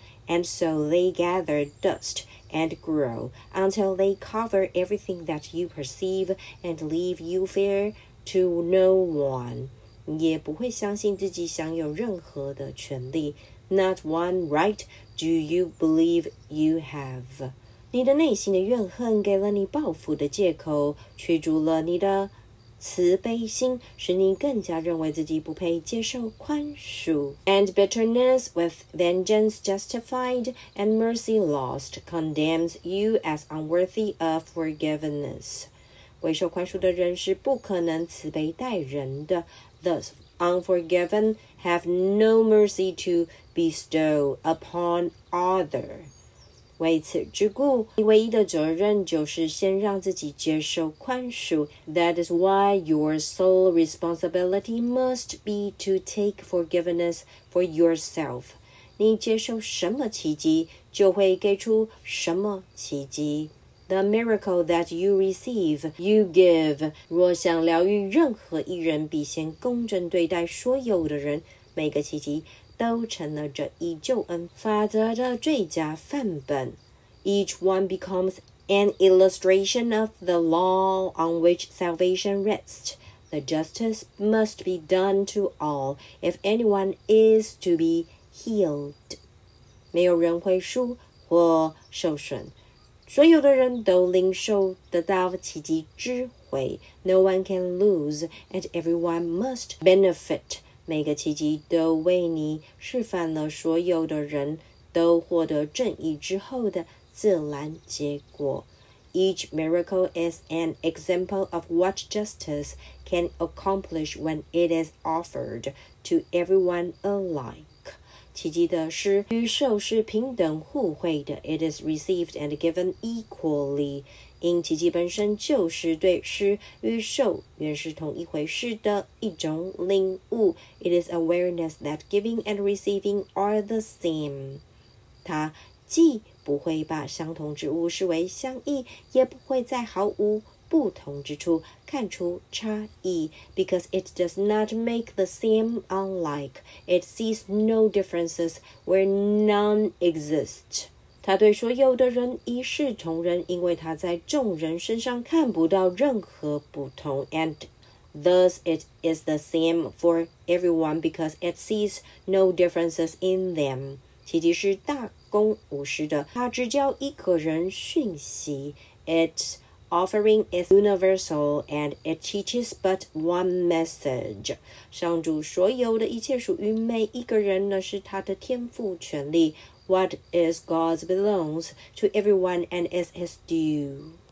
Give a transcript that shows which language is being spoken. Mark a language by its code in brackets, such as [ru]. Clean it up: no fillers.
[en] And so they gather dust and grow until they cover everything that you perceive and leave you fear to no one. [zh] 也不会相信自己享有任何的权利。 [en] Not one right do you believe you have. [zh] 你的内心的怨恨给了你报复的借口，驱逐了你的慈悲心，使你更加认为自己不配接受宽恕。 [en] And bitterness with vengeance justified and mercy lost condemns you as unworthy of forgiveness. [zh] 未受宽恕的人是不可能慈悲待人的。 [en] Thus, unforgiven have no mercy to bestow upon other. [zh] 为此之故，你唯一的责任就是先让自己接受宽恕。 [en] That is why your sole responsibility must be to take forgiveness for yourself. [zh] 你接受什么奇迹，就会给出什么奇迹。 [en] The miracle that you receive, you give. [zh] 若想疗愈任何一人，必先公正对待所有的人。每个奇迹都成了这一救恩法则的最佳范本。 [en] Each one becomes an illustration of the law on which salvation rests. The justice must be done to all if anyone is to be healed. [zh] 没有人会输或受损，所有的人都领受得到奇迹智慧。 [en] No one can lose and everyone must benefit. [zh] 每个奇迹都为你示范了所有的人都获得正义之后的自然结果。 [en] Each miracle is an example of what justice can accomplish when it is offered to everyone alike. [zh] 奇迹的是与受是平等互惠的。 [en] It is received and given equally. [zh] 因奇迹本身就是对施与受原是同一回事的一种领悟。 [en] It is awareness that giving and receiving are the same. [zh] 它既不会把相同之物视为相异，也不会在毫无不同之处，看出差异。 [en] Because it does not make the same unlike. It sees no differences where none exist. [zh] 他对所有的人一视同仁，因为他在众人身上看不到任何不同。 [en] And thus it is the same for everyone because it sees no differences in them. [zh] 奇迹是大公无私的，他只教一个人讯息。 [en] It's offering is universal and it teaches but one message. [zh] 上主所有的一切属于每一个人呢，是他的天赋权利。 [en] What is God's belongs to everyone and is his due.